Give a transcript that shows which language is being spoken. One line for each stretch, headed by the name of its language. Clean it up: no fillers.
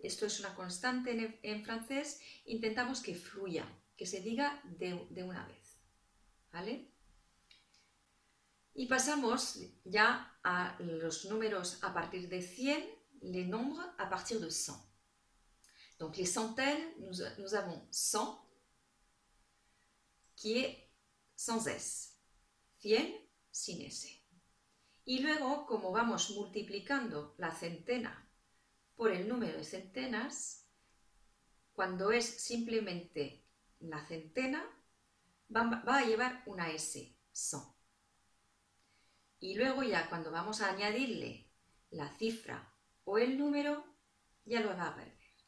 Spanish: Esto es una constante en francés, intentamos que fluya, que se diga de una vez, ¿vale? Y pasamos ya a los números a partir de 100,
French: les nombres
Spanish: a partir de 100.
French: Donc les centaines, nous avons 100, qui est sans S, 100
Spanish: sin S. Y luego, como vamos multiplicando la centena por el número de centenas, cuando es simplemente la centena, va a llevar una S, 100. Y luego ya cuando vamos a añadirle la cifra o el número, ya lo va a perder.